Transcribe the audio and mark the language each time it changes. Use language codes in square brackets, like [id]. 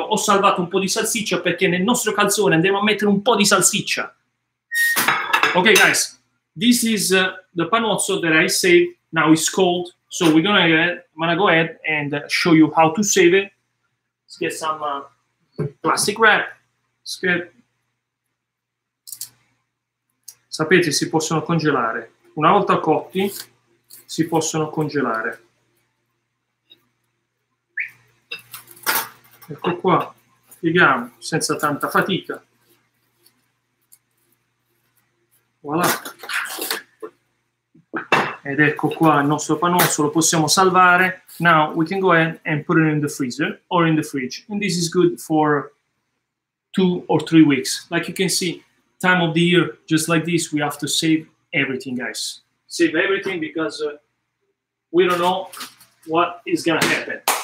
[it] Ho salvato un po' di salsiccia perché nel nostro calzone andremo a mettere un po' di salsiccia. [en] Ok, guys. This is the panuozzo that I saved. Now it's cold, so I'm gonna go ahead and show you how to save it. Let's get some plastic wrap. [it] Scherzo. Sapete, si possono congelare. Una volta cotti, si possono congelare. Ecco qua, spieghiamo, senza tanta fatica. Voilà. Ed ecco qua il nostro panosso, lo possiamo salvare. [en] Now we can go ahead and put it in the freezer or in the fridge. And this is good for 2 or 3 weeks. Like you can see, time of the year, just like this, we have to save everything, guys. Save everything because we don't know what is going to happen.